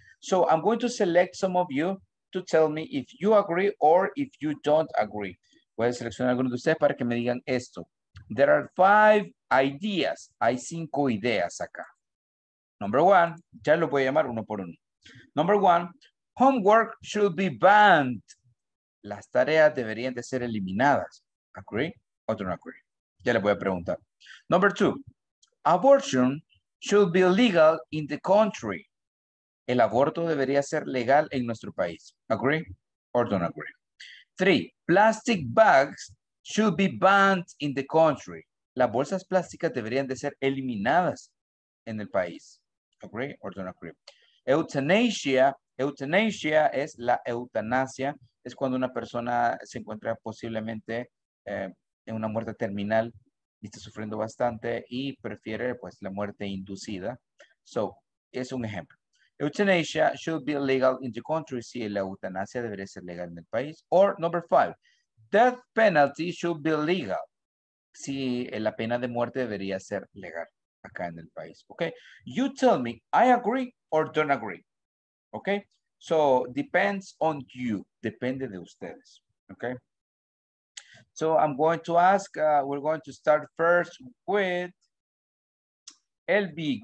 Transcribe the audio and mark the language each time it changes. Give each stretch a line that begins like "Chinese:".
English: So, I'm going to select some of you to tell me if you agree or if you don't agree.
Spanish: Voy a seleccionar algunos de ustedes para que me digan esto.
English: There are 5 ideas.
Spanish: Hay 5 ideas acá.
English: Number one,
Spanish: ya lo voy a llamar uno por uno.
English: Number one, homework should be banned.
Spanish: Las tareas deberían de ser eliminadas.
English: Agree o don't agree. Ya le voy a preguntar. Number two, abortion should be legal in the country.
Spanish: El aborto debería ser legal en nuestro país. Agree o don't agree.
English: 3, plastic bags should be banned in the country.
Spanish: Las bolsas plásticas deberían de ser eliminadas en el país.
English: Agree or don't agree?
Spanish: Eutanasia. Eutanasia es la eutanasia. Es cuando una persona se encuentra posiblemente en una muerte terminal y está sufriendo bastante y prefiere pues la muerte inducida. So, es un ejemplo.
English: Eutanasia should be legal in the country.
Spanish: Sí, la eutanasia debería ser legal en el país.
English: Or number five, death penalty should be legal. Sí,
Spanish: la pena de muerte debería ser legal acá en el país.
English: Okay, you tell me, I agree or don't agree. Okay, so depends on you.
Spanish: Depende de ustedes.
English: Okay, so I'm going to ask, we're going to start first with LB.